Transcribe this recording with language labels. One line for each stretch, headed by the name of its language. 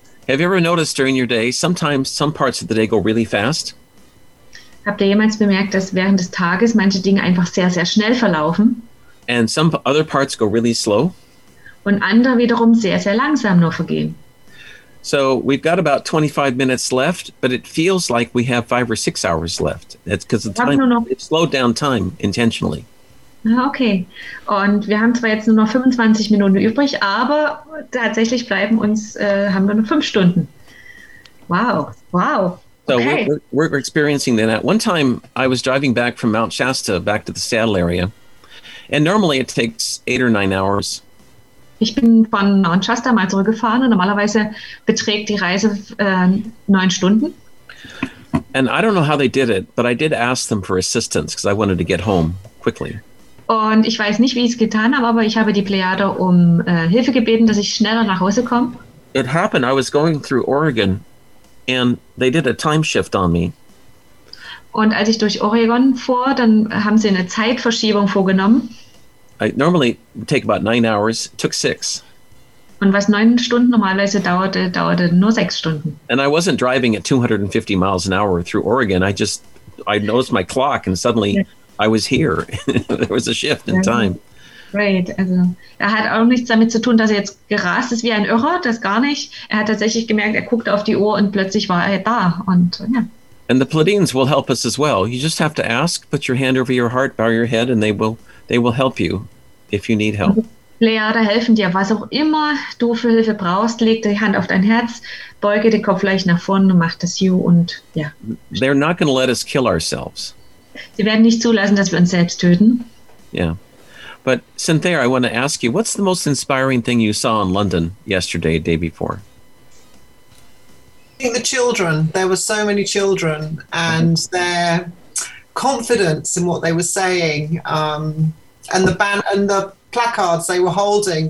English: Have you ever noticed during your day, sometimes some parts of the day go really fast?
German: Habt ihr jemals bemerkt, dass während des Tages manche Dinge einfach sehr, sehr schnell verlaufen?
English: And some other parts go really slow.
German: Und andere wiederum sehr, sehr langsam nur vergehen.
English: So we've got about 25 minutes left, but it feels like we have 5 or 6 hours left. That's because the time, it's slowed down time intentionally. Okay.
German: Und wir haben zwar jetzt nur noch 25 Minuten übrig, aber tatsächlich bleiben uns, haben wir nur 5 Stunden.
English: Wow. Wow. So okay. we're experiencing that. One time I was driving back from Mount Shasta back to the Seattle area, and normally it takes 8 or 9 hours.
German: Ich bin von Mount Shasta mal zurückgefahren und normalerweise beträgt die Reise 9 Stunden.
English: And I don't know how they did it, but I did ask them for assistance because I wanted to get home quickly.
German: Und ich weiß nicht, wie ich es getan habe, aber ich habe die Plejade um Hilfe gebeten, dass ich schneller nach Hause komme.
English: It happened. I was going through Oregon. And they did a time shift on me.
German: Und als ich durch Oregon fuhr, dann haben sie eine Zeitverschiebung vorgenommen.
English: I normally take about 9 hours, took 6.
German: Und was 9 Stunden normalerweise dauerte, dauerte nur 6 Stunden.
English: And I wasn't driving at 250 miles an hour through Oregon. I noticed my clock and suddenly I was here. There was a shift in time. Right.
German: Also, er hat auch nichts damit zu tun, dass er jetzt gerast ist wie ein Irrer, das gar nicht. Er hat tatsächlich gemerkt, er guckte auf die Uhr und plötzlich war er da. Und ja.
English: And the Pleiadians will help us as well. You just have to ask, put your hand over your heart, bow your head, and they will help you if you need help.
German: Pleiade helfen dir, was auch immer du für Hilfe brauchst, leg die Hand auf dein Herz, beuge den Kopf leicht nach vorne und mach das You und ja.
English: They're not going to let us kill ourselves.
German: Sie werden nicht zulassen, dass wir uns selbst töten. Ja. Yeah.
English: But Cynthia, I want to ask you, what's the most inspiring thing you saw in London yesterday, day before? I think the children. There were so many children and their confidence in what they were saying, and the banner and the placards they were holding.